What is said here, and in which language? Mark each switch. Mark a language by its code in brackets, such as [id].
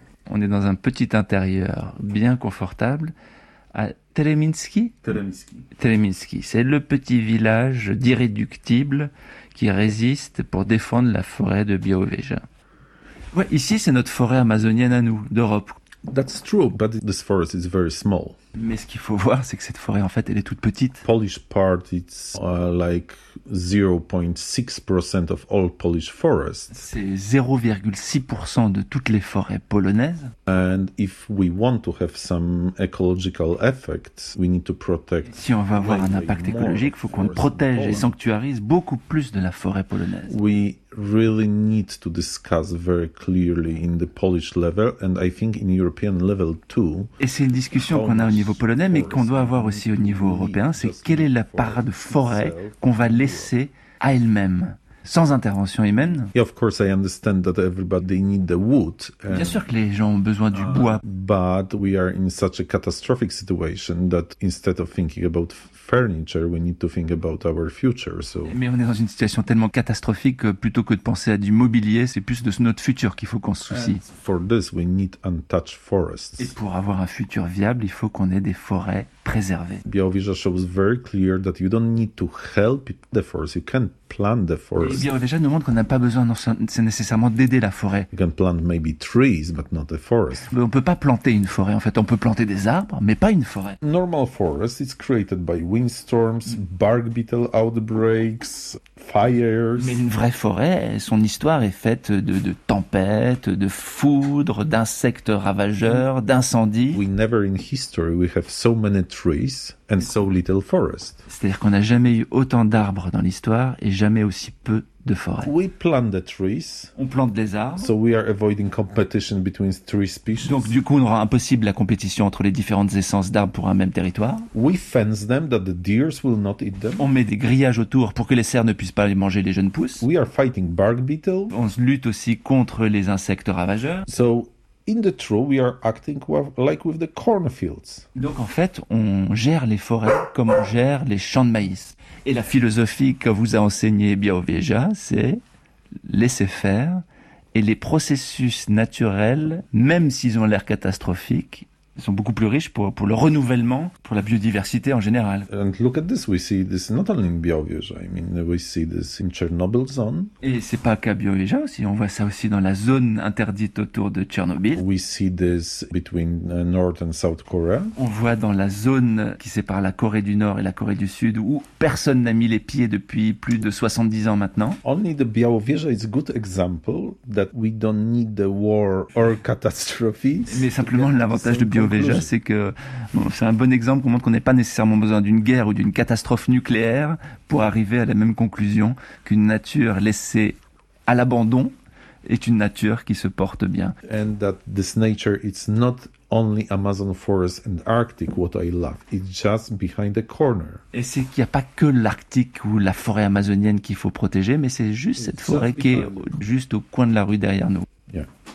[fr] On est dans un petit intérieur bien confortable à Teleminski. C'est le petit village d'irréductible qui résiste pour défendre la forêt de Białowieża. Ouais, ici, c'est notre forêt amazonienne à nous, d'Europe. [en] That's true, but this forest is very small. [fr] Mais ce qu'il faut voir, c'est que cette forêt, en fait, elle est toute petite. [en] Polish part, it's like 0.6% of all Polish forests. [fr] C'est 0,6% de toutes les forêts polonaises. [en] And if we want to have some ecological effect, we need to protect. [fr] Si on veut avoir un impact écologique, il faut qu'on protège et sanctuarise beaucoup plus de la forêt polonaise. [en] We really need to discuss very clearly in the Polish level, and I think in European level too. [fr] Et c'est une discussion qu'on a au niveau polonais, mais qu'on doit avoir aussi au niveau européen, c'est quelle est la part de forêt qu'on va laisser à elle-même, sans intervention humaine. [en] Yeah, of course, I understand that everybody needs the wood. [fr] Bien sûr que les gens ont besoin du bois. [en] But we are in such a catastrophic situation that instead of thinking about furniture, we need to think about our future. So. [fr] Mais on est dans une situation tellement catastrophique que plutôt que de penser à du mobilier, c'est plus de notre futur qu'il faut qu'on se soucie. [en] And for this, we need untouched forests. [fr] Et pour avoir un futur viable, il faut qu'on ait des forêts préservées. [en] Białowieża shows very clear that you don't need to help the forest. You can plant the forest. [fr] Et Białowieża nous montre qu'on n'a pas besoin, c'est nécessairement d'aider la forêt. [en] You can plant maybe trees, but not the forest. [fr] Mais on peut pas planter une forêt. En fait, on peut planter des arbres, mais pas une forêt. [en] Normal forest is created by windstorms, bark beetle outbreaks, fires. [fr] Mais une vraie forêt, son histoire est faite de tempêtes, de foudres, d'insectes ravageurs, d'incendies. [en] We never in history we have so many trees and so little forest. [fr] C'est-à-dire qu'on n'a jamais eu autant d'arbres dans l'histoire et jamais aussi peu de forêt. [en] We plant the trees. [fr] On plante des arbres. [en] So we are avoiding competition between three species. [fr] Donc du coup, on rend impossible la compétition entre les différentes essences d'arbres pour un même territoire. [en] We fence them that the deers will not eat them. [fr] On met des grillages autour pour que les cerfs ne puissent pas manger les jeunes pousses. [en] We are fighting bark beetle. [fr] On se lutte aussi contre les insectes ravageurs. [en] So in the true, we are acting like with the cornfields. [fr] Donc en fait, on gère les forêts comme on gère les champs de maïs. Et la philosophie que vous a enseignée Białowieża, c'est laisser faire et les processus naturels, même s'ils ont l'air catastrophiques, sont beaucoup plus riches pour le renouvellement, pour la biodiversité en général. [en] And look at this, we see this not only in Białowieża, I mean, we see this in Chernobyl zone. [fr] Et c'est pas qu'à Białowieża aussi, on voit ça aussi dans la zone interdite autour de Tchernobyl. [en] We see this between North and South Korea. [fr] On voit dans la zone qui sépare la Corée du Nord et la Corée du Sud, où personne n'a mis les pieds depuis plus de 70 ans maintenant. [en] Only the Białowieża is a good example that we don't need the war or catastrophes. [fr] Mais simplement l'avantage de Białowieża, c'est que bon, c'est un bon exemple qui montre qu'on n'est pas nécessairement besoin d'une guerre ou d'une catastrophe nucléaire pour arriver à la même conclusion qu'une nature laissée à l'abandon est une nature qui se porte bien. [en] And that this nature is not only Amazon forest and Arctic, what I love, it's just behind the corner. [fr] Et c'est qu'il n'y a pas que l'Arctique ou la forêt amazonienne qu'il faut protéger, mais c'est juste cette forêt qui est juste au coin de la rue derrière nous. Yeah.